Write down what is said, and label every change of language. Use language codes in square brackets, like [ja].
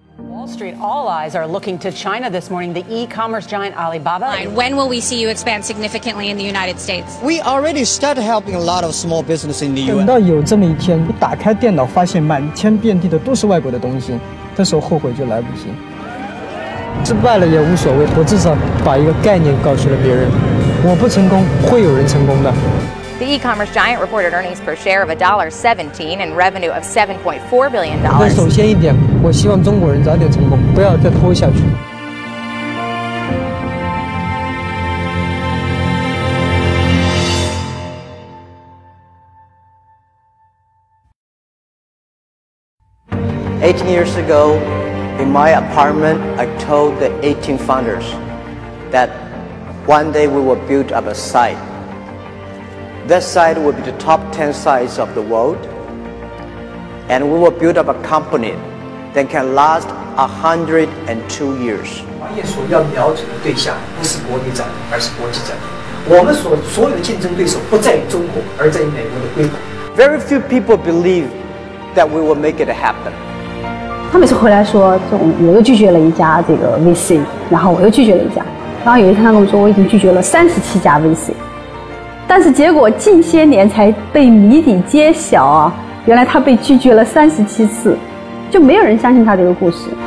[en] Wall Street, all eyes are looking to China this morning, the e-commerce giant Alibaba. When will we see you expand significantly in the United States? We already started helping a lot of small business in the U.S. [zh] 等到有这么一天，我打开电脑发现满天遍地的都是外国的东西，这时候后悔就来不及。失败了也无所谓，我至少把一个概念告诉了别人。我不成功，会有人成功的。 [en] The e-commerce giant reported earnings per share of $1.17 and revenue of $7.4 billion. [zh] 首先一点，我希望中国人早点成功，不要再拖下去。 [en] 18 years ago, in my apartment, I told the 18 founders that one day we will build up a site. That site will be the top 10 sites of the world, and we will build up a company that can last 102 years. [zh] 行业所要瞄准的对象不是国内展，而是国际展。我们所有的竞争对手不在于中国，而在于美国的硅谷。 [en] Very few people believe that we will make it happen. [zh] 他每次回来说，我又拒绝了一家这个 VC， 然后我又拒绝了一家，然后有一天他跟我说，我已经拒绝了37家 VC， 但是结果近些年才被谜底揭晓啊，原来他被拒绝了37次，就没有人相信他这个故事。